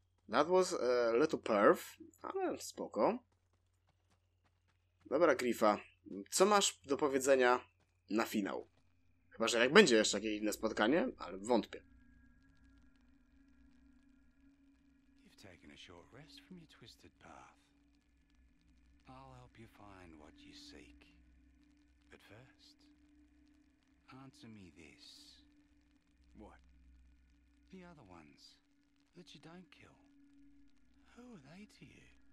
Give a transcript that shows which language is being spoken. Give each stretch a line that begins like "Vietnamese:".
English: That was a little perv,
Polish: ale spoko. Dobra, Griffa. Co masz do powiedzenia na finał? Chyba, że jak będzie jeszcze jakieś inne spotkanie, ale wątpię.
English: You've taken a short rest from your twisted path. I'll help you find what you seek. But first, answer me this. What? The other ones that you don't kill. Who are they to you?